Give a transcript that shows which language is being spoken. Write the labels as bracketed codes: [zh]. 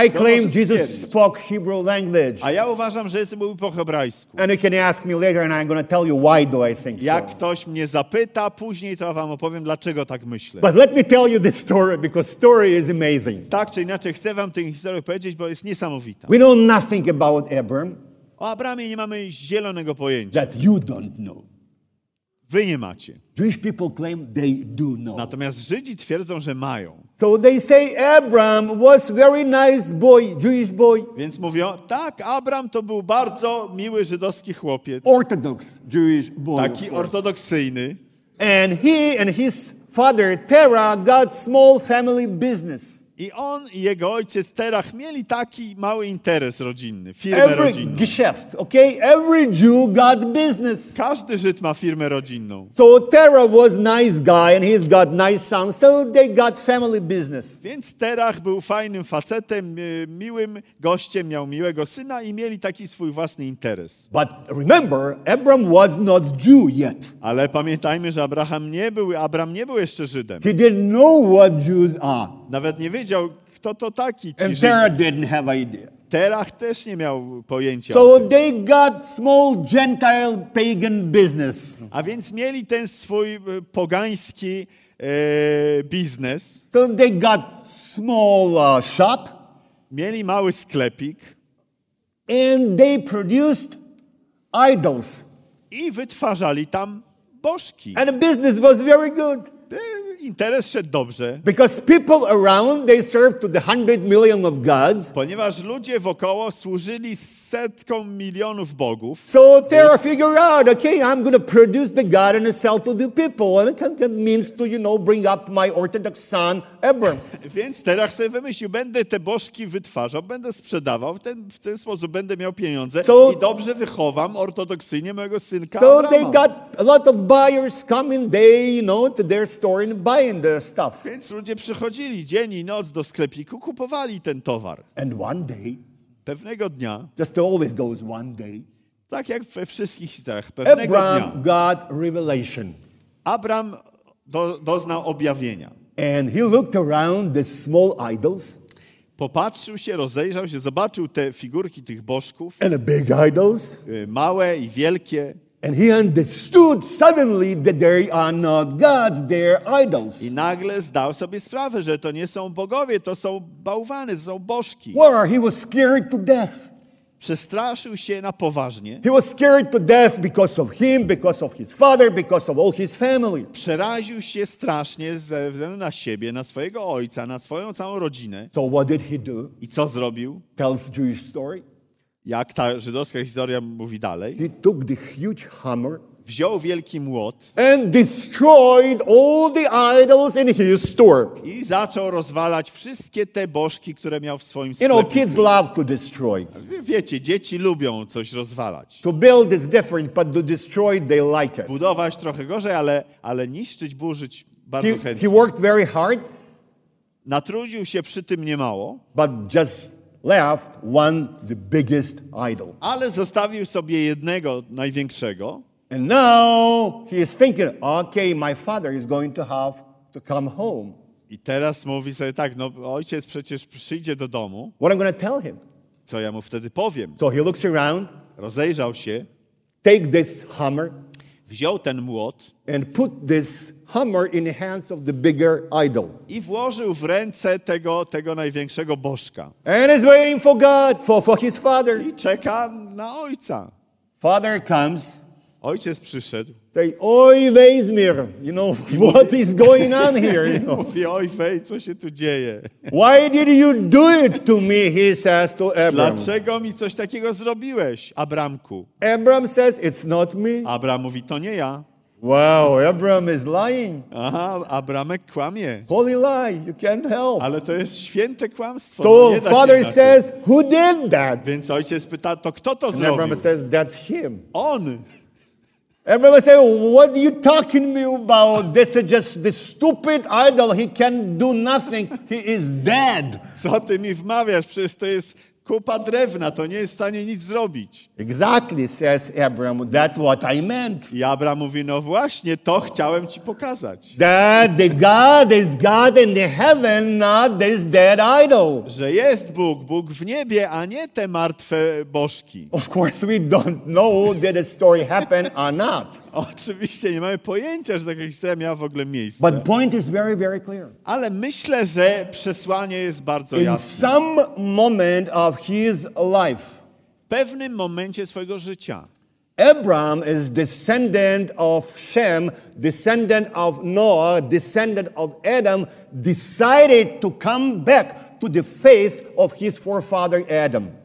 [en] I claim Jesus spoke Hebrew language. [pl] A ja uważam, że Jezus mówił po hebrajsku. [en] And you can ask me later and I'm going to tell you why do I think so. [pl] Jak ktoś mnie zapyta, później to wam opowiem, dlaczego tak myślę. [en] But let me tell you this story, because story is amazing. [pl] Tak czy inaczej, chcę wam tę historię powiedzieć, bo jest niesamowita. [en] We know nothing about Abram. [pl] O Abramie nie mamy zielonego pojęcia. [en] That you don't know. [pl] Wy nie macie. [en] Jewish people claim they do know. [pl] Natomiast Żydzi twierdzą, że mają. [en] So they say Abram was very nice boy, Jewish boy. [pl] Więc mówią, tak, Abram to był bardzo miły żydowski chłopiec. [en] Orthodox Jewish boy. [pl] Taki ortodoksyjny. [en] And he and his father Terah got small family business. [pl] I on i jego ojciec Terach mieli taki mały interes rodzinny, firmę [en] Every [pl] rodzinną. [en] Geschäft, okay? Every Jew got business. [pl] Każdy Żyd ma firmę rodzinną. [en] So Terah was nice guy and he's got nice son, so they got family business. [pl] Więc Terach był fajnym facetem, miłym gościem, miał miłego syna i mieli taki swój własny interes. [en] But remember, Abram was not Jew yet. [pl] Ale pamiętajmy, że Abram nie był jeszcze Żydem. [en] He didn't know what Jews are. [pl] Nawet nie wiedział, kto to taki. [en] And Terah didn't have idea. [pl] Terach też nie miał pojęcia. [en] So they got small Gentile pagan business. [pl] A więc mieli ten swój pogański biznes. [en] So they got small shop. [pl] Mieli mały sklepik. [en] And they produced idols. [pl] I wytwarzali tam bożki. [en] And the business was very good. [pl] Interes szedł dobrze. [en] Because people around they served to the 100 million of gods. [pl] Ponieważ ludzie wokoło służyli setkom milionów bogów. [en] So Terah figured out, okay, I'm going to produce the god and sell to the people, and it means to, you know, bring up my orthodox son Abram. [pl] Więc Terah sobie wymyślił, będę te bożki wytwarzał, będę sprzedawał, w ten sposób będę miał pieniądze i dobrze wychowam ortodoksyjnie mojego synka Abrama. [en] So they got a lot of buyers coming, they, you know, to their store in buying the stuff. [pl] Więc ludzie przychodzili dzień i noc do sklepiku, kupowali ten towar. [en] And one day, [pl] pewnego dnia, [en] just always goes one day, [pl] tak jak we wszystkich historiach, pewnego [en] Abram [pl] dnia, [en] got revelation. [pl] Abram doznał objawienia. [en] And he looked around the small idols. [pl] Popatrzył się, rozejrzał się, zobaczył te figurki tych bożków. [en] And the big idols. [pl] Małe i wielkie. [en] And he understood suddenly that they are not gods, they are idols. [pl] I nagle zdał sobie sprawę, że to nie są bogowie, to są bałwany, to są bożki. [en] Where he was scared to death. [pl] Przestraszył się na poważnie. [en] He was scared to death because of him, because of his father, because of all his family. [pl] Przeraził się strasznie ze względu na siebie, na swojego ojca, na swoją całą rodzinę. [en] So what did he do? [pl] I co zrobił? [en] Tells Jewish story. [pl] Jak ta żydowska historia mówi dalej. [en] He took the huge hammer, [pl] wziął wielki młot [en] and destroyed all the idols in his store. [pl] I zaczął rozwalać wszystkie te bożki, które miał w swoim sklepie. [en] You know, kids love to destroy. [pl] Wiecie, dzieci lubią coś rozwalać. [en] To build is different, but to destroy they like it. [pl] Budować trochę gorzej, ale niszczyć, burzyć bardzo chętnie. [en] He worked very hard. [pl] Natrudził się przy tym niemało. [en] But just left one, the biggest idol. [pl] Ale zostawił sobie jednego największego. [en] And now he is thinking, okay, my father is going to have to come home. [pl] I teraz mówi sobie tak, no ojciec przecież przyjdzie do domu. [en] What I'm going to tell him? [pl] Co ja mu wtedy powiem? [en] So he looks around. [pl] Rozejrzał się. [en] Take this hammer. [pl] wziął ten młot [en] and put this hammer in the hands of the bigger idol. [pl] I włożył w ręce tego największego bożka. [en] And is waiting for God, for his father. [pl] I czeka na ojca. [en] Father comes. [pl] Ojciec przyszedł. [en] Say, oj, Weizmir, you know, what is going on here? You know? [pl] Mówi, oj, Wej, co się tu dzieje? [en] Why did you do it to me, he says to Abram. [pl] Dlaczego mi coś takiego zrobiłeś, Abramku? [en] Abram says, it's not me. [pl] Abram mówi, to nie ja. [en] Wow, Abram is lying. [pl] Aha, Abramek kłamie. [en] Holy lie, you can't help. [pl] Ale to jest święte kłamstwo. [en] So father says, who did that? [pl] Więc ojciec pyta, to kto to [en] and [pl] zrobił? [en] Abram says, that's him. [pl] On. [en] Abraham said, "What are you talking me about? This is just this stupid idol. He can do nothing. He is dead." [pl] Co ty mi wmawiasz? Przecież to jest kupa drewna. To nie jest w stanie nic zrobić. [en] Exactly, says Abraham. That's what I meant. [pl] I Abraham mówi, no właśnie, to chciałem ci pokazać. [en] That the God is God in the heaven, not this dead idol. [pl] Że jest Bóg, Bóg w niebie, a nie te martwe bożki. [en] Of course, we don't know did the story happen or not. [pl] Oczywiście, nie mamy pojęcia, że taka historia miała w ogóle miejsce. [en] But point is very, very clear. [pl] Ale myślę, że przesłanie jest bardzo [en] in [pl] jasne. [en] In some moment of his life, [pl] w pewnym momencie swojego życia. [en] Abram is descendant of Shem, descendant of Noah, descendant of Adam, decided to come back to the faith of his forefather Adam.